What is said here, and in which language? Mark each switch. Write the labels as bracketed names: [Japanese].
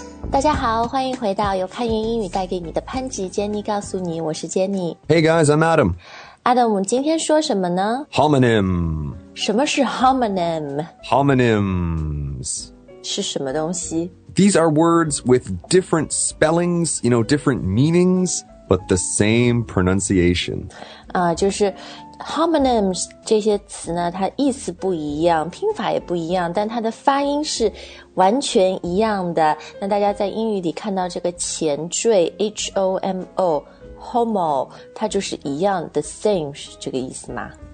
[Chinese] 大家好，欢迎回到由开云英语带给你的潘吉 Jenny 告诉你，我是 Jenny。 [English] Hey guys, I'm Adam. [Chinese] Adam, 我们今天说什么呢 [English] ？Homonym. [Chinese] 什么是 homonym? [English] Homonyms [Chinese] 是什么东西 [English] ？These are words with different spellings, you know, different meanings, but the same pronunciation. [Chinese] 啊、就是 homonyms 这些词呢，它意思不一样，拼法也不一样，但它的发音是。完全一样的那大家在英语里看到这个前缀 H-O-M-O Homo 它就是一样 [English] The same [Chinese] 是这个意思吗